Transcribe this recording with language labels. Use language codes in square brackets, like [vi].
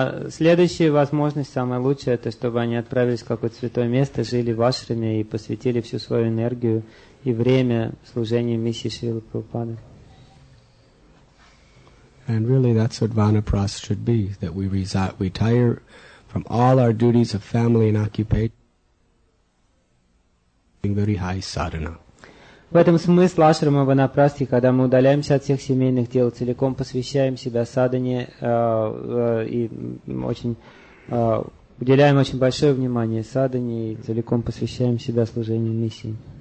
[ru] Следующая возможность, самая лучшая, это чтобы они отправились в какое-то святое место, жили в ашраме и посвятили всю свою энергию и время служению миссии Шрилы Прабхупады. [en] And really that's what vanaprastha should be, that we retire from all our duties of family and occupation. Very high sadhana. [ru] В этом смысл ашрама ванапрасти, когда мы удаляемся от всех семейных дел, целиком посвящаем себя садхане и очень уделяем очень большое внимание садхане и целиком посвящаем себя служению миссии.